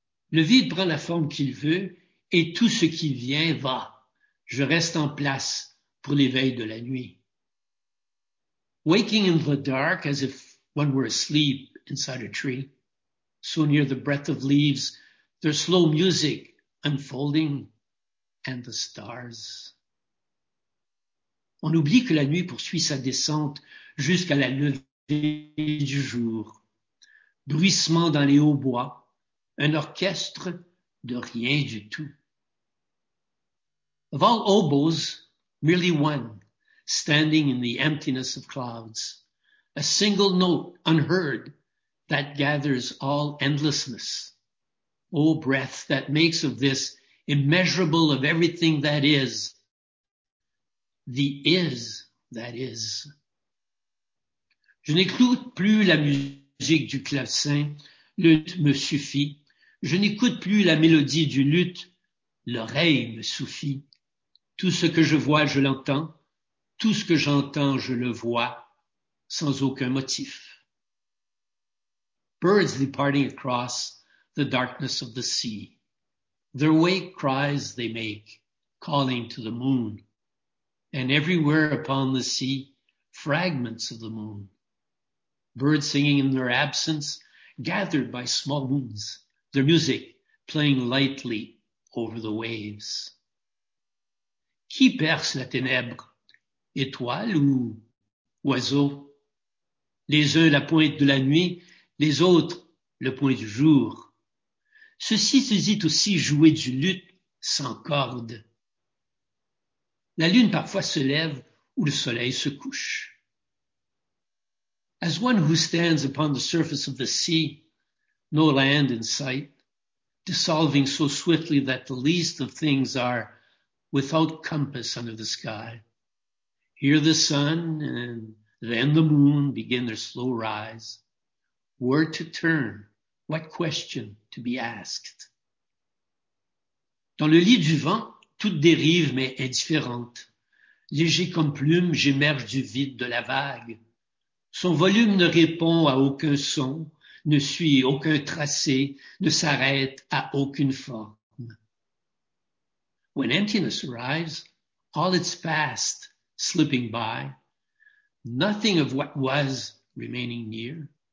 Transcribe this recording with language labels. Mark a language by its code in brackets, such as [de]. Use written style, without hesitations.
[fr] Le vide prend la forme qu'il veut, et tout ce qui vient va. Je reste en place pour l'éveil de la nuit. [en] Waking in the dark as if one were asleep inside a tree, so near the breath of leaves, their slow music unfolding, and the stars. [fr] On oublie que la nuit poursuit sa descente jusqu'à la levée du jour. Bruissement dans les hauts bois, un orchestre de rien du tout. [en] Of all oboes, merely one, standing in the emptiness of clouds, a single note unheard that gathers all endlessness. O breath that makes of this immeasurable of everything that is, the is that is. [fr] Je n'écoute plus la musique du clavecin, le luth me suffit. Je n'écoute plus la mélodie du luth, l'oreille me suffit. Tout ce que je vois, je l'entends. Tout ce que j'entends, je le vois, sans aucun motif. [en] Birds departing across the darkness of the sea. Their wake cries they make, calling to the moon. And everywhere upon the sea, fragments of the moon. Birds singing in their absence, gathered by small moons, their music playing lightly over the waves. [fr] Qui perce la ténèbre? Étoile ou oiseau? Les uns la pointe de la nuit, les autres le point du jour. Ceci se dit aussi jouer du luth sans corde. La lune parfois se lève ou le soleil se couche. [en] As one who stands upon the surface of the sea, no land in sight, dissolving so swiftly that the least of things are without compass under the sky. Here the sun and then the moon begin their slow rise. Where to turn? What question to be asked? [fr] Dans le lit du vent, toute dérive m'est indifférente. Léger comme plume, j'émerge du vide de la vague. Son volume ne répond à aucun son, ne suit aucun tracé, ne s'arrête à aucune forme. [en] When emptiness arrives, all its past slipping by, nothing of what was remaining near.